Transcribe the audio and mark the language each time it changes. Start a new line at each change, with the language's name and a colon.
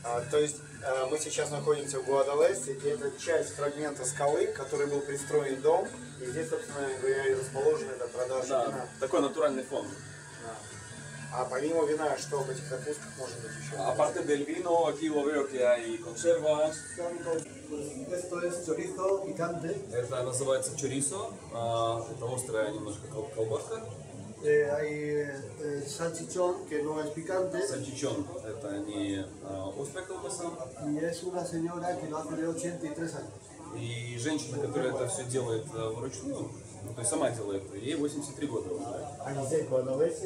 Russian: То есть мы сейчас находимся в Гуадалесте, и это часть фрагмента скалы, в которой был пристроен дом, и здесь, собственно говоря, и расположена эта продажа вина. Такой натуральный фон. Да. А помимо вина, что в этих отпусках может быть еще?
Spanish: Aparte del vino, aquí lo veo que hay conservas. Esto es chorizo picante.
Russian: Это называется чорисо, это острая немножко колбаска.
Spanish: Hay salchichón, que no es picante.
Russian: Salchichón, это не острая колбаса.
Spanish: Y es una señora que lo hace de 83 años.
Russian: И женщина, которая это все делает вручную, ну, то есть сама делает, ей 83 года уже.